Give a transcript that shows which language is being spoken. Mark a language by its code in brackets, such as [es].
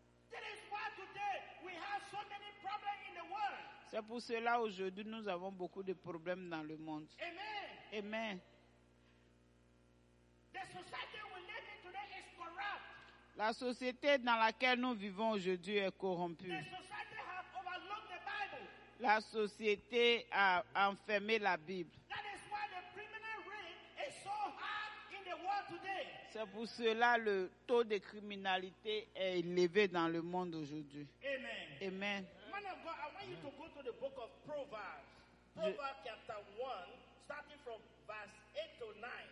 [en] That is why today we have so many problems in the world. [fr] C'est pour cela aujourd'hui nous avons beaucoup de problèmes dans le monde. Amen. Amen. [en] The society we live in today is corrupt. [fr] La société dans laquelle nous vivons aujourd'hui est corrompue. [en] The society has overlooked the Bible. [fr] La société a enfermé la Bible. [en] That is why the criminal rate is so high in the world today. [fr] C'est pour cela le taux de criminalité est élevé dans le monde aujourd'hui. Amen. Amen. [en] You to go to the book of Proverbs chapter 1, starting from verse 8 to 9.